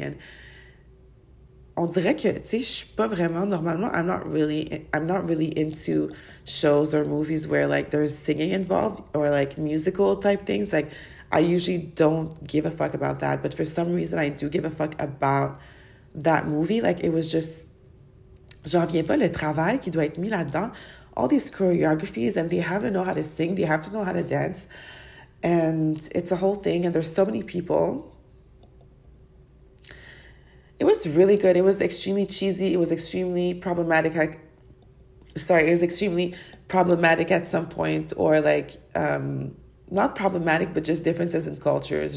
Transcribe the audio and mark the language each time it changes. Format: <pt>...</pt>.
<en>And</en> <fr>on dirait que, tu sais, je suis pas vraiment, normalement,</fr> <en>I'm not really into shows or movies where, like, there's singing involved or, like, musical type things. Like, I usually don't give a fuck about that. But for some reason, I do give a fuck about that movie. Like, it was just,</en> <fr>j'en viens pas, le travail qui doit être mis là-dedans.</fr> <en>All these choreographies, and they have to know how to sing, they have to know how to dance, and it's a whole thing, and there's so many people. It was really good. It was extremely cheesy. It was extremely problematic. It was extremely problematic at some point, or like, not problematic, but just differences in cultures.</en>